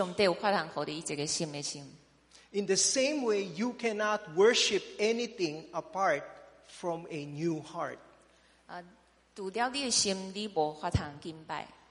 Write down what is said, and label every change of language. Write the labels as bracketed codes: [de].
[nan] 所以你需要做的就是为你所关心、你所疼的那个人祈祷，和上帝有法通给你一个新的心。 [en] In the same way, you cannot worship anything apart from a new heart. [nan] 除掉你的心，你无法通敬拜。